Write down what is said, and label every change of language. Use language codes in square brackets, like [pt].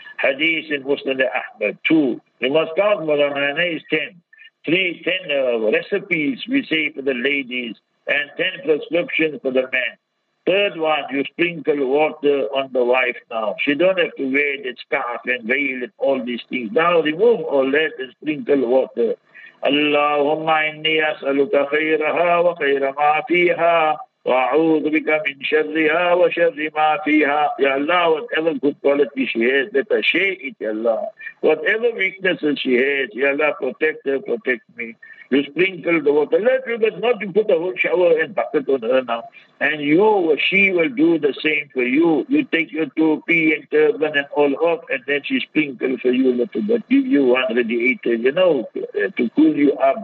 [en] Hadith in Muslim Ahmad, 2. You must count, Muslim is 10. 3, 10 recipes we say for the ladies, and 10 prescriptions for the men. Third one, you sprinkle water on the wife now. She don't have to wear that scarf and veil and all these things. Now remove all that and sprinkle water. [ar] اللهم إني أسألك خيرها وخير ما فيها وأعوذ بك من شرها وشر ما فيها. يا الله, [en] whatever good quality she has, let her share it, يا الله. Whatever weaknesses she has, [ar] يا الله, [en] protect her, protect me. You sprinkle the water, let her, but not you put a whole shower and bucket on her now. And you, she will do the same for you. You take your topi and turban and all off, and then she sprinkles for you a little bit, give you one radiator, you know, to cool you up.